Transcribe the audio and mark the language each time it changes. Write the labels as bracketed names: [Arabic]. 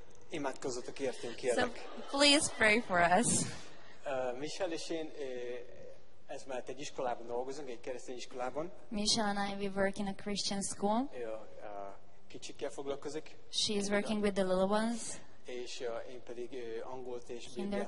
[Hungarian] Imádkozzatok értünk, kérlek. [English] So please pray for us. [Hungarian] Michel és én ez már egy iskolában dolgozunk, egy keresztény iskolában. [English] Michel and I, we work in a Christian school. [Hungarian] Kicsikkel foglalkozik. [English] She is working with the little ones. [Hungarian] És én pedig angolt és Bibliát